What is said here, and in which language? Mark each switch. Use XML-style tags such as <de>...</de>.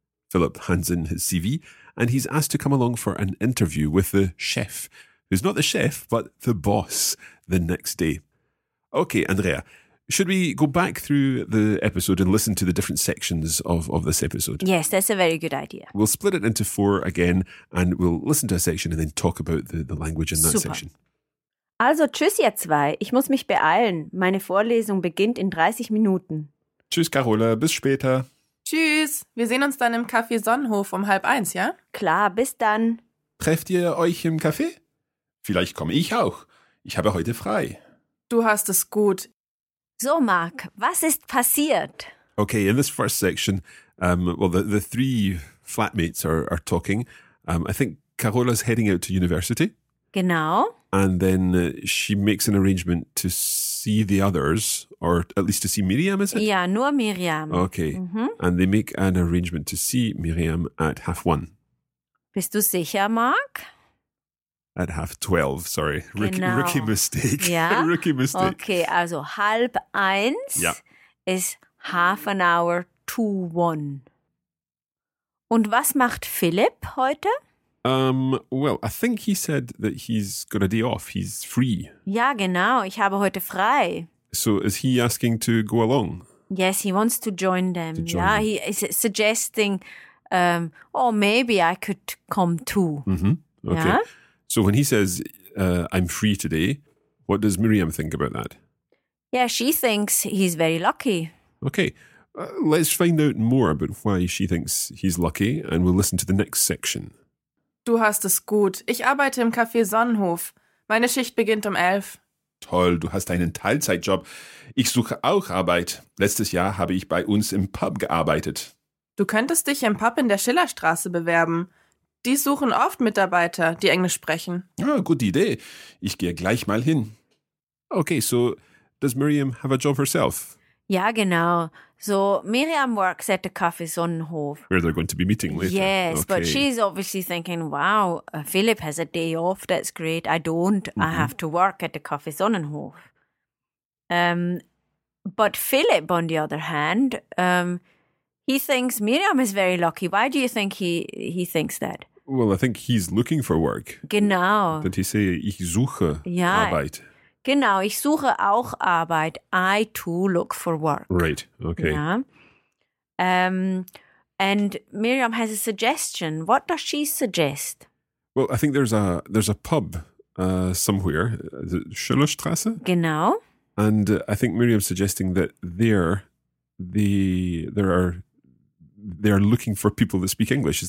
<en>Philip hands in his CV, and he's asked to come along for an interview with the chef, who's not the chef, but the boss, the next day. Okay, Andrea, should we go back through the episode and listen to the different sections of this episode? Yes, that's a very good idea. We'll split it into four again, and we'll listen to a section and then talk about the language in that Super. Section.</en> <de>Also tschüss ihr zwei, ich muss mich beeilen. Meine Vorlesung beginnt in 30 Minuten. Tschüss Carola, bis später. Tschüss, wir sehen uns dann im Café Sonnenhof um 12:30, ja? Klar, bis dann. Trefft ihr euch im Café? Vielleicht komme ich auch. Ich habe heute frei. Du hast es gut. So Marc, was ist passiert?</de> <en>Okay, in this first section, the three flatmates are talking. I think Carola's heading out to university.</en> <de>Genau.</de> <en>And then she makes an arrangement to see the others, or at least to see Miriam, is it?</en> <de>Yeah, nur Miriam.</de> <en>Okay. Mm-hmm. And they make an arrangement to see Miriam at 12:30.</en> <de>Bist du sicher, Marc?</de> <en>At 12:30, sorry.</en> <de>Genau.</de> <en>Rookie mistake. Yeah. Rookie mistake.</en> <de>Okay, also 12:30</de> <en>yeah. is 12:30.</en> <de>Und was macht Philipp heute?</de> <en>I think he said that he's got a day off. He's free.</en> <de>Ja, genau. Ich habe heute frei.</de> <en>So is he asking to go along? Yes, he wants to join them. To join yeah, them. He is suggesting, maybe I could come too. Mm-hmm. Okay. Yeah? So when he says, I'm free today, what does Miriam think about that? Yeah, she thinks he's very lucky. Okay. Let's find out more about why she thinks he's lucky and we'll listen to the next section.</en> <de>Du hast es gut. Ich arbeite im Café Sonnenhof. Meine Schicht beginnt 11:00. Toll, du hast einen Teilzeitjob. Ich suche auch Arbeit. Letztes Jahr habe ich bei uns im Pub gearbeitet. Du könntest dich im Pub in der Schillerstraße bewerben. Die suchen oft Mitarbeiter, die Englisch sprechen. Ja, gute Idee. Ich gehe gleich mal hin.</de> <en>Okay, so does Miriam have a job herself?</en> <de>Ja, genau.</de> <en>So Miriam works at the Café Sonnenhof. Where they're going to be meeting later. Yes, okay. But she's obviously thinking, wow, Philip has a day off. That's great. I don't. Mm-hmm. I have to work at the Café Sonnenhof. But Philip, on the other hand, he thinks Miriam is very lucky. Why do you think he thinks that? Well, I think he's looking for work.</en> <de>Genau.</de> <en>Did he say,</en> <de>ich suche ja. Arbeit? Genau, ich suche auch Arbeit.</de> <en>I too look for work. Right, okay. Yeah. And Miriam has a suggestion. What does she suggest? Well, I think there's a pub somewhere, Schillerstraße.</en> <de>Genau.</de> <en>And I think Miriam's suggesting that they're looking for people that speak English.</en>